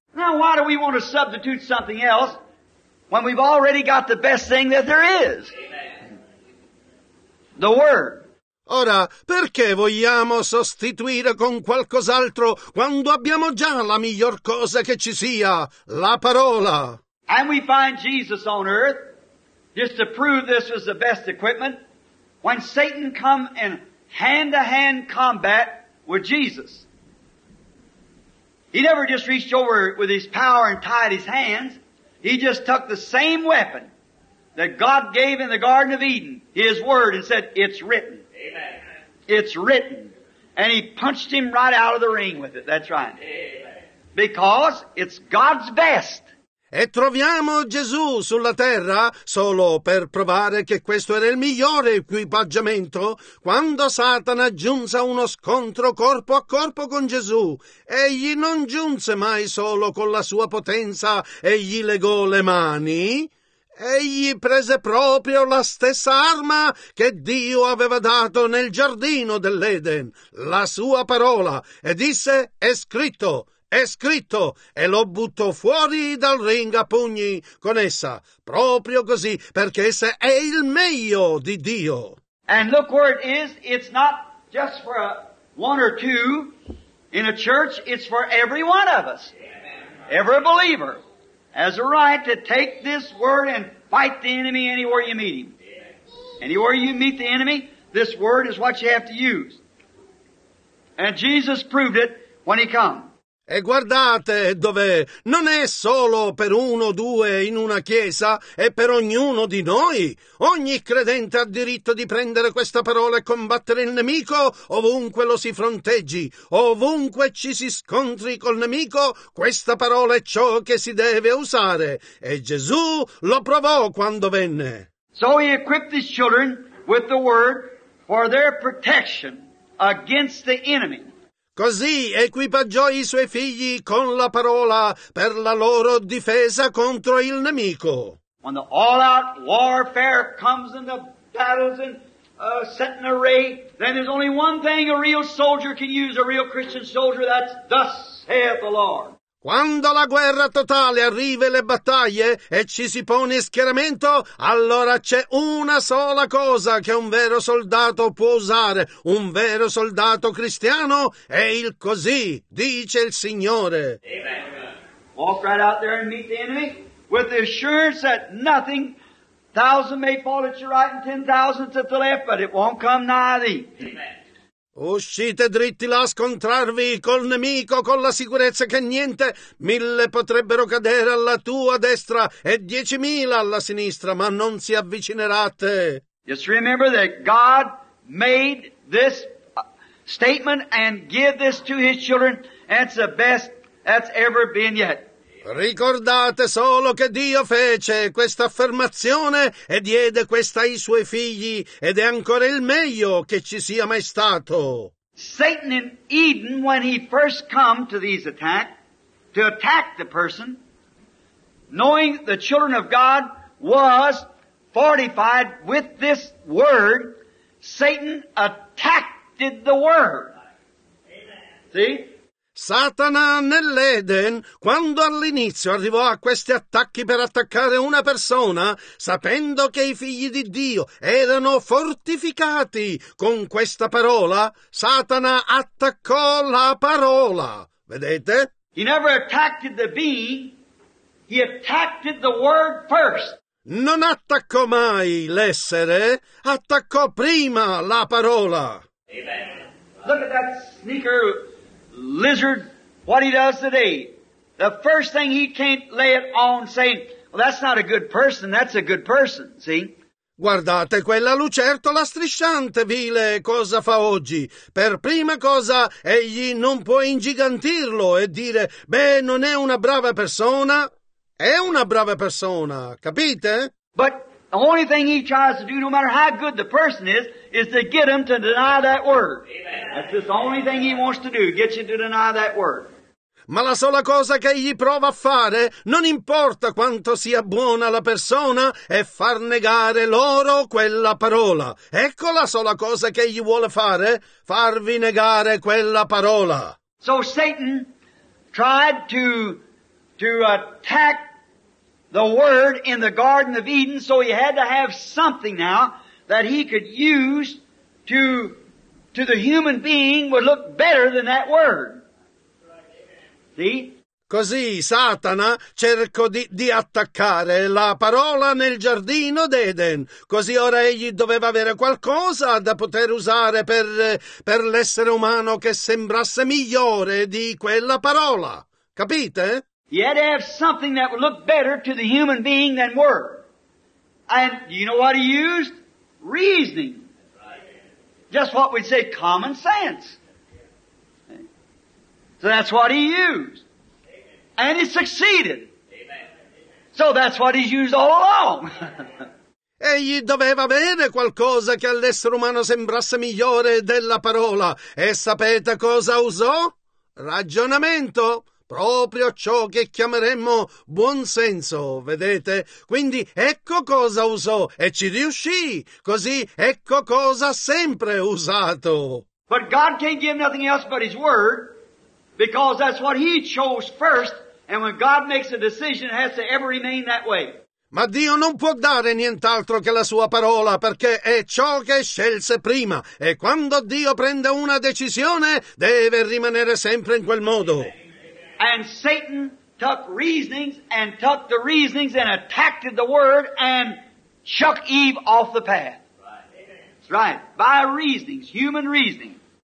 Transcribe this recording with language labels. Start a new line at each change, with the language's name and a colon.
English: Now why do we want to substitute something else when we've already got the best thing that there is? Amen. The Word.
Italian: Ora, perché vogliamo sostituire con qualcos'altro quando abbiamo già la miglior cosa che ci sia, la parola?
English: And we find Jesus on earth, just to prove this was the best equipment, when Satan come in hand-to-hand combat with Jesus. He never just reached over with his power and tied his hands. He just took the same weapon that God gave in the Garden of Eden, His Word, and said, it's written. Amen. It's written. And He punched him right out of the ring with it. That's right. Amen. Because it's God's best.
Italian: E troviamo Gesù sulla terra solo per provare che questo era il migliore equipaggiamento. Quando Satana giunse a uno scontro corpo a corpo con Gesù, egli non giunse mai solo con la sua potenza e gli legò le mani. Egli prese proprio la stessa arma che Dio aveva dato nel giardino dell'Eden, la sua parola, e disse, è scritto. È scritto, e lo buttò fuori dal ring a pugni con essa, proprio così, perché essa è il meglio di Dio.
English: And look where it is, it's not just for one or two in a church, it's for every one of us. Every believer has a right to take this word and fight the enemy anywhere you meet him. Anywhere you meet the enemy, this word is what you have to use. And Jesus proved it when he came.
Italian: E guardate dov'è, non è solo per uno o due in una chiesa, è per ognuno di noi. Ogni credente ha diritto di prendere questa parola e combattere il nemico ovunque lo si fronteggi, ovunque ci si scontri col nemico, questa parola è ciò che si deve usare. E Gesù lo provò quando venne.
English: So he equipped his children with the word for their protection against the enemy.
Italian: Così equipaggiò i suoi figli con la parola per la loro difesa contro il nemico.
English: When the all-out warfare comes in the battles and set in array, then there's only one thing a real soldier can use, a real Christian soldier, that's thus saith the Lord.
Italian: Quando la guerra totale arriva e le battaglie e ci si pone in schieramento, allora c'è una sola cosa che un vero soldato può usare, un vero soldato cristiano, è il così, dice il Signore.
English: Amen. Walk right out there and meet the enemy with the assurance that nothing, thousand may fall at your right and 10,000 at the left, but it won't come nigh thee. Amen.
Italian: Uscite dritti là a scontrarvi col nemico con la sicurezza che niente, mille potrebbero cadere alla tua destra e 10,000 alla sinistra, ma non si avvicinerà a te.
English: Just remember that God made this statement and give this to his children, that's the best that's ever been yet.
Italian: Ricordate solo che Dio fece questa affermazione e diede questa ai suoi figli, ed è ancora il meglio che ci sia mai stato.
English: Satan in Eden, when he first come to these attack, to attack the person, knowing the children of God was fortified with this word, Satan attacked the word. Amen. See?
Italian: Satana nell'Eden, quando all'inizio arrivò a questi attacchi per attaccare una persona, sapendo che i figli di Dio erano fortificati con questa parola, Satana attaccò la parola. Vedete?
English: He never attacked the being, he attacked the word first.
Italian: Non attaccò mai l'essere, attaccò prima la parola.
English: Amen. Look at that sneaker lizard, what he does today. The first thing he can't lay it on saying, well, that's not a good person, that's a good person, see?
Italian: Guardate quella lucertola strisciante vile cosa fa oggi. Per prima cosa egli non può ingigantirlo e dire, beh, non è una brava persona. È una brava persona, capite?
English: But the only thing he tries to do, no matter how good the person is to get him to deny that word. Amen. That's the only thing he wants to do, get you to deny that word.
Italian: Ma la sola cosa che egli prova a fare, non importa quanto sia buona la persona, è far negare loro quella parola. Ecco la sola cosa che egli vuole fare, farvi negare quella parola.
English: So Satan tried to attack the word in the Garden of Eden, so he had to have something now that he could use to the human being would look better than that word. See?
Italian: Così Satana cercò di attaccare la parola nel giardino d'Eden. Così ora egli doveva avere qualcosa da poter usare per l'essere umano che sembrasse migliore di quella parola. Capite?
English: He had to have something that would look better to the human being than word. And do you know what he used? Reasoning. Just what we'd say, common sense. So that's what he used. And it succeeded. So that's what he's used all along.
Italian: Egli doveva avere qualcosa che all'essere umano sembrasse migliore della parola. E sapete cosa usò? Ragionamento. Proprio ciò che chiameremmo buonsenso, vedete? Quindi ecco cosa usò e ci riuscì. Così ecco cosa ha sempre usato.
English: But God can't give nothing else but his word, because that's what he chose first, and when God makes a decision it has to ever remain that way.
Italian: Ma Dio non può dare nient'altro che la sua parola, perché è ciò che scelse prima, e quando Dio prende una decisione deve rimanere sempre in quel modo.
English: And Satan took reasonings and took the reasonings and attacked the word and shook Eve off the path. Right. That's right. By reasonings, human reasoning.